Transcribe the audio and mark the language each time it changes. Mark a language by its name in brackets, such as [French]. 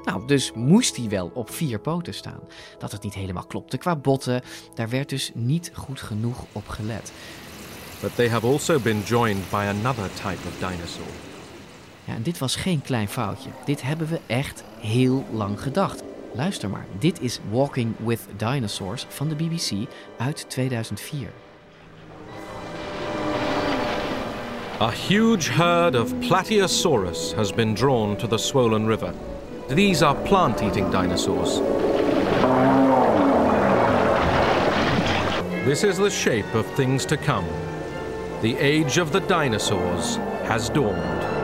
[Dutch] Nou, dus moest hij wel op vier poten staan. Dat het niet helemaal klopte qua botten, daar werd dus niet goed genoeg op gelet. [English] But they have also been joined by another type of dinosaur. [Dutch] Ja, en dit was geen klein foutje. Dit hebben we echt heel lang gedacht. Luister maar, dit is Walking with Dinosaurs van de BBC uit 2004. [English] A huge herd of Plateosaurus has been drawn to the swollen river. These are plant-eating dinosaurs. This is the shape of things to come. The age of the dinosaurs has dawned.